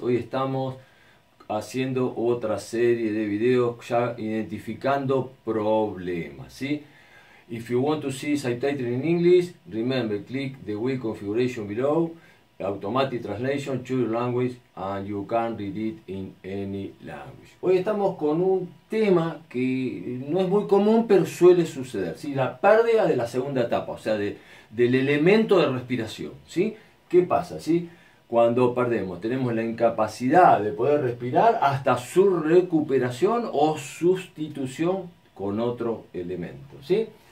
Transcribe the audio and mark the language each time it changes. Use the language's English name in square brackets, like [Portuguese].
[Spanish] Hoy estamos haciendo otra serie de videos ya identificando problemas, ¿sí? [English] If you want to see subtitles in English, remember, click the Wii configuration below, automatic translation to your language, and you can read it in any language. [Spanish] Hoy estamos con un tema que no es muy común, pero suele suceder, ¿sí? La pérdida de la segunda etapa, o sea, del elemento de respiración, ¿sí? ¿Qué pasa, sí? Cuando perdemos, tenemos la incapacidad de poder respirar hasta su recuperación o sustitución con otro elemento, ¿sí?